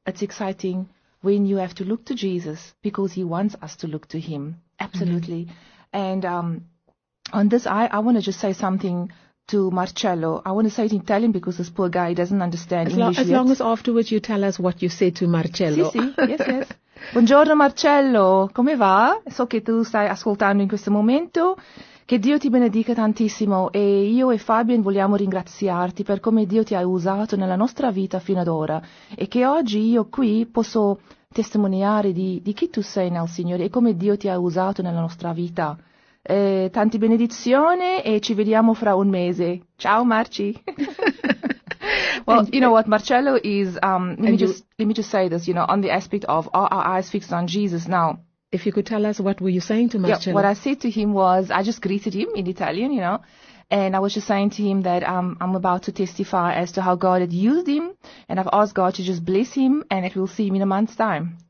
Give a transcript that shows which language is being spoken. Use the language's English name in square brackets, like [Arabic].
[English] It's exciting when you have to look to Jesus, because he wants us to look to him. Absolutely. Mm-hmm. And on this, I want to just say something to Marcello. I want to say it in Italian because this poor guy doesn't understand English. As long as afterwards you tell us what you say to Marcello. [Italian] Sì, sì. [English] Yes. [Italian] Buongiorno Marcello, come va? So che tu stai ascoltando in questo momento. Che Dio ti benedica tantissimo e io e Fabian vogliamo ringraziarti per come Dio ti ha usato nella nostra vita fino ad ora e che oggi io qui posso testimoniare di chi tu sei nel Signore e come Dio ti ha usato nella nostra vita. Tanti benedizioni e ci vediamo fra un mese. Ciao Marci. [English] Well, you know what, Marcello is, let me just say this, you know, on the aspect of are our eyes fixed on Jesus now. If you could tell us, what were you saying to Marcello? Yeah, what I said to him was, I just greeted him in Italian, you know, and I was just saying to him that I'm about to testify as to how God had used him, and I've asked God to just bless him, and that we'll see him in a month's time.